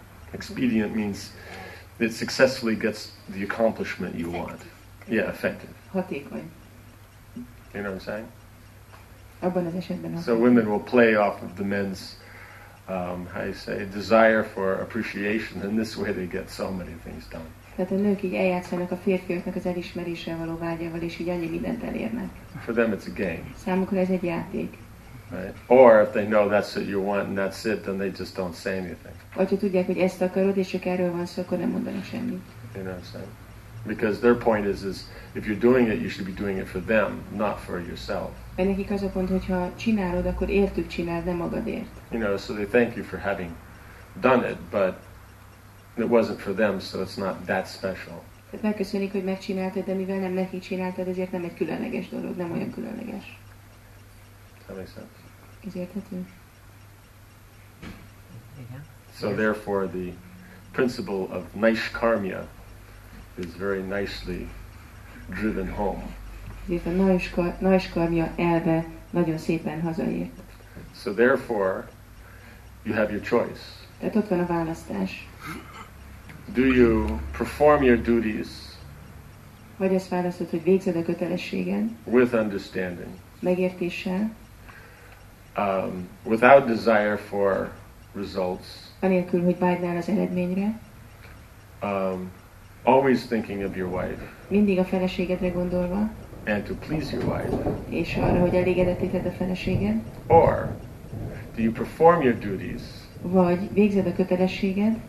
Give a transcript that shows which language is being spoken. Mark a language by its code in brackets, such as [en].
[en] Expedient means it successfully gets the accomplishment you want. Yeah, effective. [hu] Hatékony. [en] You know what I'm saying? [hu] Abban az esetben, [en] so women will play off of the men's, how you say, desire for appreciation, and this way they get so many things done. [hu] Tehát a nők így eljátszanak a férfiaknak az elismerésre való vágyával, és így annyi mindent elérnek. [en] For them it's a game. [hu] Számukra ez egy játék. [en] Right. Or if they know that's what you want and that's it, then they just don't say anything. [hu] Vagy ha tudják, hogy ezt akarod, és csak erről van szó, akkor nem mondanak semmit. [en] You know what I'm saying? Because their point is if you're doing it, you should be doing it for them, not for yourself. [hu] De nekik az a pont, hogyha csinálod, akkor értük csinálod, nem magadért. [en] You know, so they thank you for having done it, but it wasn't for them, so it's not that special. [hu] Megköszönik, hogy megcsináltad, de mivel nem neki csináltad, ezért nem egy különleges dolog, nem olyan különleges. Ez érthető? Igen. [en] So therefore the principle of naishkarmya is very nicely driven home. [hu] Ezért a naishkarmya elve nagyon szépen hazaért. [en] So therefore you have your choice. [hu] Tehát ott van a választás. [en] Do you perform your duties? [hu] Vagy azt válaszod, hogy végzed a kötelességen? [en] With understanding. [hu] Megértéssel. [en] Without desire for results. [hu] Anélkül, hogy vágynál az eredményre. [en] Always thinking of your wife. [hu] Mindig a feleségedre gondolva. [en] And to please your wife. [hu] És arra, hogy elégedetté tedd a feleséged. [en] Or do you perform your duties? [hu] Vagy végzed a kötelességed?